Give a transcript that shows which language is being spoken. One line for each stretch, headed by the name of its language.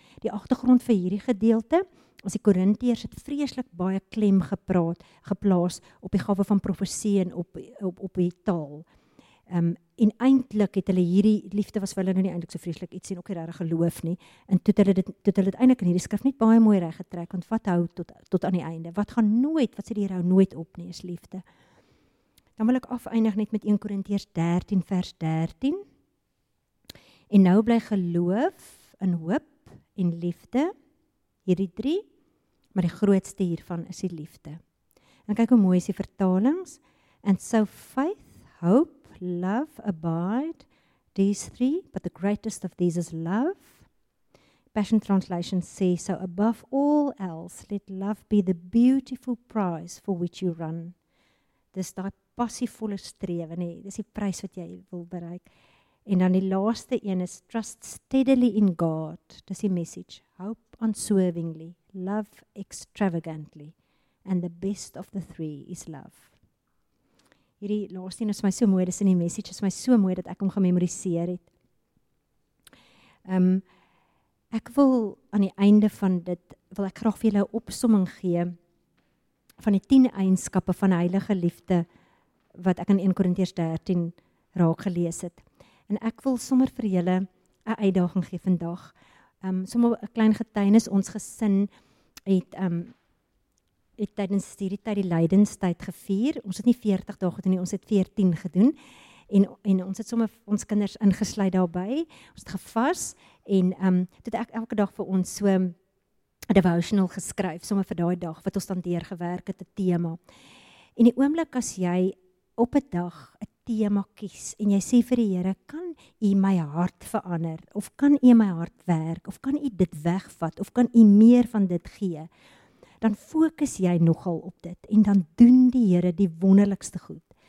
Afrikaans: Die agtergrond vir hierdie gedeelte, as die Korintiërs het vreeslik baie klem geplaas op die gawe van profesie en op die taal. En eintlik het hulle hierdie liefde was vir hulle nou nie eintlik so vreeslik iets en ook nie regtig geloof nie. En toe hulle dit eintlik in hierdie skrif net baie mooi reg getrek, want wat hou tot aan die einde? Wat sê die Here hou nooit op nie, is liefde. Dan wil ek afeindig net met 1 Korintiërs 13 vers 13. En nou bly geloof in hoop en liefde, hierdie drie, maar die grootste hiervan is die liefde. En kyk hoe mooi is die vertalings.
English: And so faith, hope, love, abide, these three, but the greatest of these is love. Passion Translation says, so above all else, let love be the beautiful prize for which you run.
Afrikaans: Dis daai passievolle strewe, nee, dis die prys wat jy wil bereik. En dan die laaste een is
English: trust steadily in God.
Afrikaans: Dis die message.
English: Hope unswervingly, love extravagantly, and the best of the three is love.
Afrikaans: Hierdie laaste een is my so mooi, dis in die message, is my so mooi dat ek hom gememoriseer het. Ek wil aan die einde van dit, wil ek graag vir julle 'n opsomming gee van die 10 eienskappe van heilige liefde wat ek in 1 Korintiërs 13 raak gelees het. En ek wil sommer vir julle 'n uitdaging gee vandag. Sommer 'n klein getuienis, ons gesin het tydens studie tyd die lydenstyd gevier. Ons het nie 40 dae gedoen nie, ons het 14 gedoen. En ons het sommer ons kinders ingesluit daarby. Ons het gevas en toe ek elke dag vir ons so 'n devotional geskryf, sommer vir daai dag wat ons dan deur gewerk het, 'n tema. En die oomblik as jy op 'n dag 'n tema kies en jy sê vir die Here, kan U my hart verander of kan U my hart werk of kan U dit wegvat of kan U meer van dit gee, dan fokus jy nogal op dit en dan doen die Here die wonderlikste goed.